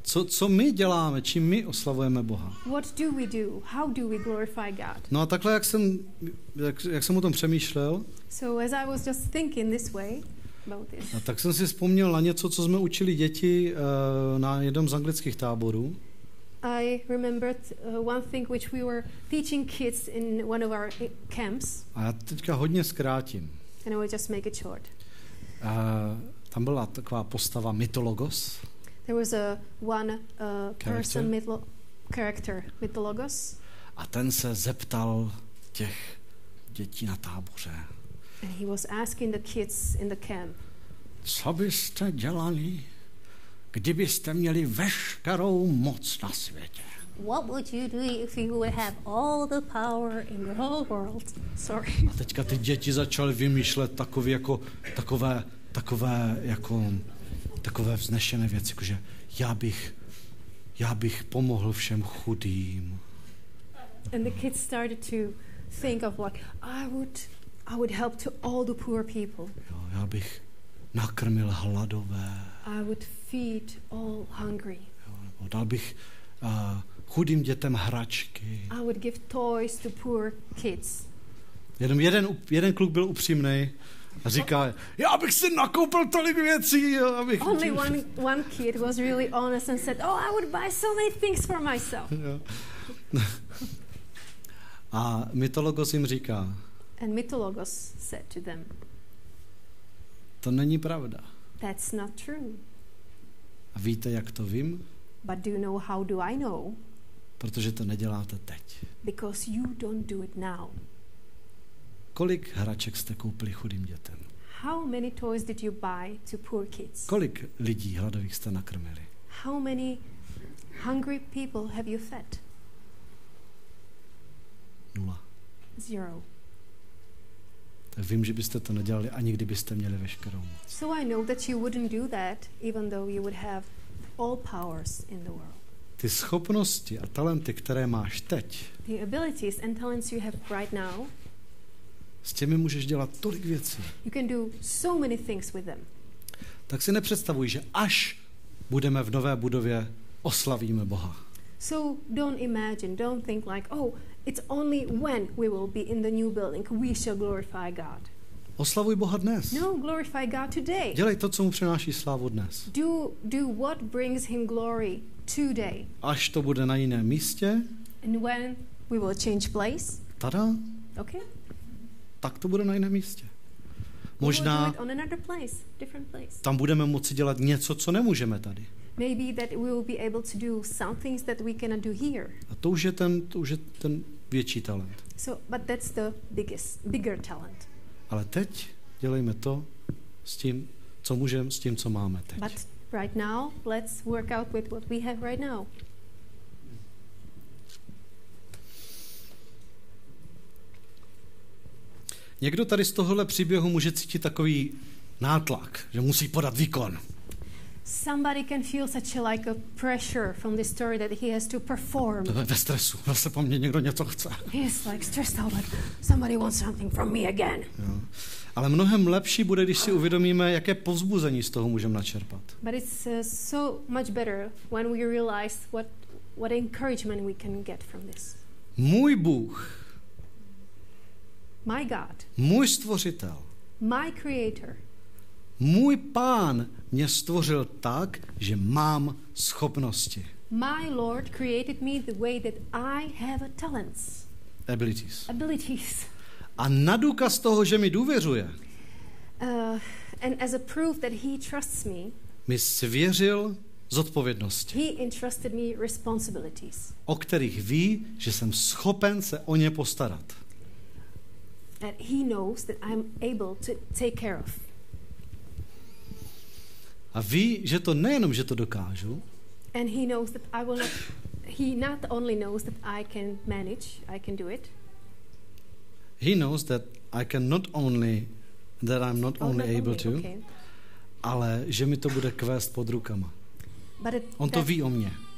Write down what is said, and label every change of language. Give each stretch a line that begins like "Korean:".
Czech: Co my děláme, čím my oslavujeme Boha.
English: What do we do? How do we glorify God?
Czech: No a takhle, jak jsem o tom přemýšlel,
English: so as I was just thinking this way,
Czech: a tak jsem si vzpomněl na něco, co jsme učili děti na jednom z anglických táborů.
English: I remembered one thing which we were teaching kids in one of our camps.
Czech: A já teďka hodně zkrátím.
English: And I will just make it short.
Czech: Tam byla taková postava mytologos.
English: There was a one person character mytologos.
Czech: A ten se zeptal těch dětí na táboře.
English: And he was asking the kids in the camp.
Czech: Co byste dělali, kdybyste měli veškerou moc na světě?
English: What would you do if you would have all the power in the whole world? Sorry.
Czech: A teďka ty děti začaly vymýšlet takové vznešené věci, jako že já bych pomohl všem chudým.
English: And the kids started to think of like I would help to all the poor people.
Czech: Jo, já bych nakrmil hladové.
English: I would feed all hungry.
Czech: Jo, dal bych chudým dětem hračky.
English: I would give toys to poor kids.
Czech: Jeden kluk byl upřímný a říká, já bych si nakoupil tolik věcí. Abych
English: only one kid was really honest and said, oh, I would buy so many things for myself.
Czech: A mytologos jim říká,
English: and mytologos said to them,
Czech: to není pravda.
English: That's not true.
Czech: A víte, jak to vím?
English: But do you know how do I know?
Czech: Protože to neděláte teď.
English: Because you don't do it now.
Czech: Kolik hraček jste koupili chudým dětem?
English: How many toys did you buy to poor kids?
Czech: Kolik lidí hladových jste nakrmili?
English: How many hungry people have you fed?
Czech: Nula.
English: Zero.
Czech: Tak vím, že byste to nedělali, ani kdybyste měli veškerou moc.
English: So I know that you wouldn't do that, even though you would have all powers in the world.
Czech: Ty schopnosti a talenty, které máš teď,
English: the abilities and talents you have right now,
Czech: s těmi můžeš dělat tolik věcí.
English: You can do so many things with them.
Czech: Tak si nepředstavuj, že až budeme v nové budově, oslavíme Boha.
English: So don't imagine, don't think like, oh, it's only when we will be in the new building we shall glorify God.
Czech: Oslavuj Boha dnes.
English: No, glorify God today.
Czech: Dělej to, co mu přináší slávu dnes.
English: Do what brings him glory today.
Czech: Až to bude na jiném místě.
English: And when we will change place. Tada. Okay.
Czech: Tak to bude na jiném místě. Možná
English: we will do it on another place, different place.
Czech: Tam budeme moci dělat něco, co nemůžeme tady.
English: Maybe that we will be able to do some things that we cannot do here.
Czech: A to už je ten větší talent.
English: So, but that's the bigger talent.
Czech: Ale teď dělejme to s tím, co můžeme, s tím, co máme teď.
English: But right now, let's work out with what we have right now.
Czech: Někdo tady z tohohle příběhu může cítit takový nátlak, že musí podat výkon.
English: Somebody can feel such a, like a pressure from this story that he has to perform.
Czech: Ve stresu, zase po mně někdo něco chce.
English: He's like stressed out, like somebody wants something from me again.
Czech: Jo. Ale mnohem lepší bude, když si uvědomíme, jaké povzbuzení z toho můžeme načerpat.
English: But it's so much better when we realize what encouragement we can get from this.
Czech: Můj Bůh.
English: My God.
Czech: Můj stvořitel.
English: My creator.
Czech: Můj Pán mě stvořil tak, že mám schopnosti.
English: My Lord created me the way that I have talents. Abilities.
Czech: A na důkaz toho, že mi důvěřuje.
English: And as a proof that he trusts me.
Czech: Mi svěřil zodpovědnosti.
English: He entrusted me responsibilities.
Czech: O kterých ví, že jsem schopen se o ně postarat.
English: That he knows that I'm able to take care of.
Czech: A ví, že to nejenom, že to dokážu.
English: And he knows that I will not, he not only knows that I can manage, I can do it. He knows that I can not only, that I'm not only able to, okay.
Czech: Ale že mi to bude kvést pod rukama.
English: But it,
Czech: on to ví o mně.